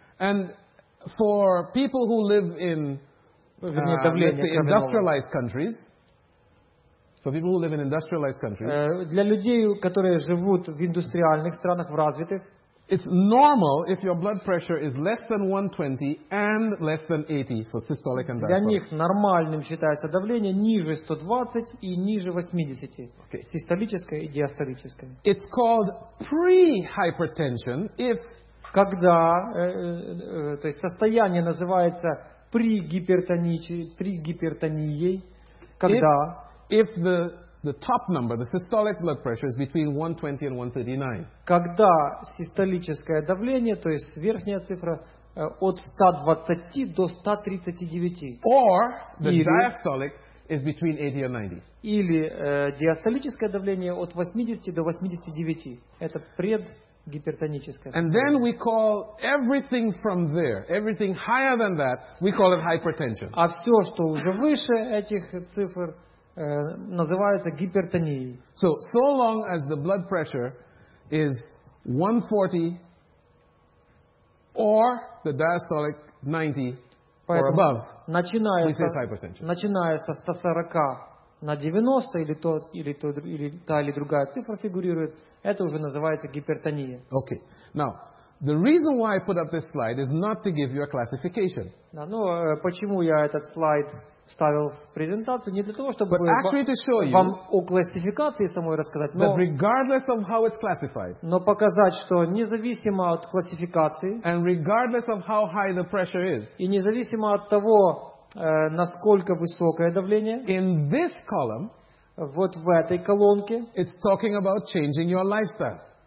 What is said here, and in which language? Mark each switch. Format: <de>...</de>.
<en>And for people who live in industrialized countries, for people who live in industrialized countries,</en> <ru>для людей, которые живут в индустриальных странах, в развитых,</ru> <en>it's normal if your blood pressure is less than 120 and less than 80 for systolic and diastolic.</en> <ru>Для них нормальным считается давление ниже 120 и ниже 80, систолическое и диастолическое.</ru> <en>It's called pre-hypertension if,</en> <ru>когда, то есть состояние называется при гипертонии, когда</ru> <en>if the top number, the systolic blood pressure is between 120 and 139.</en> <ru>Когда систолическое давление, то есть верхняя цифра, от 120 до 139.</ru> <en>Or the diastolic is between 80 and 90.</en> <ru>Или диастолическое давление от 80 до 89. Это</ru> <en>And then we call everything from there, everything higher than that, we call it hypertension.</en> <ru>А все, что уже выше этих цифр, называется гипертонией.</ru> <en>So long as the blood pressure is 140 or the diastolic 90 or above, we say hypertension.</en> <ru>Начиная со 140 на 90 или то, или то, или та или другая цифра фигурирует, это уже называется гипертония.</ru> <en>Okay. Now, the reason why I put up this slide is not to give you a classification.</en> <ru>Да, ну, почему я этот слайд ставил в презентацию, не для того, чтобы вам о классификации самой рассказать,</ru> <en>but regardless of how it's classified,</en> <ru>но показать, что независимо от классификации,</ru> <en>and regardless of how high the pressure is,</en> <ru>и независимо от того, насколько высокое давление,</ru> <en>in this column,</en> <ru>вот в этой колонке,</ru> <en>it's talking about changing your lifestyle.</en>